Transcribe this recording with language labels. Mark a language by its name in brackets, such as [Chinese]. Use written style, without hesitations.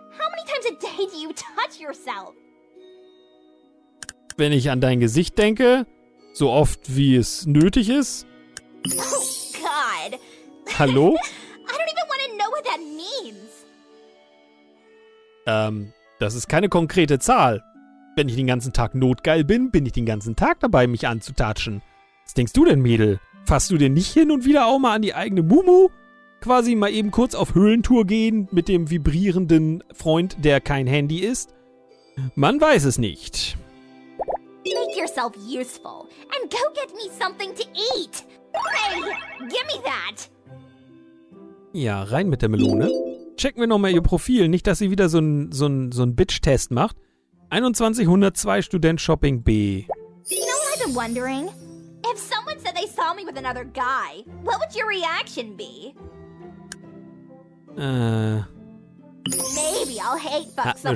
[English] How many times a day do you touch yourself? [German] Wenn ich an dein Gesicht denke, so oft wie es nötig ist. [English] Oh God. [German] Hallo? [English] I don't even want to know what that means. [German] Das ist keine konkrete Zahl. Wenn ich den ganzen Tag notgeil bin, bin ich den ganzen Tag dabei, mich anzutatschen. Was denkst du denn, Mädel? Fasst du denn nicht hin und wieder auch mal an die eigene Mumu? Quasi mal eben kurz auf Höhlentour gehen mit dem vibrierenden Freund, der kein Handy ist? Man weiß es nicht. [English] Make yourself useful and go get me something to eat. Hey, give me that. [German] Ja, rein mit der Melone. Checken wir nochmal ihr Profil, nicht, dass sie wieder so ein Bitch-Test macht. 2102 Student Shopping B. [English] You know what I'm wondering? If someone said they saw me with another guy, what would your reaction be? Maybe I'll hate fuck someone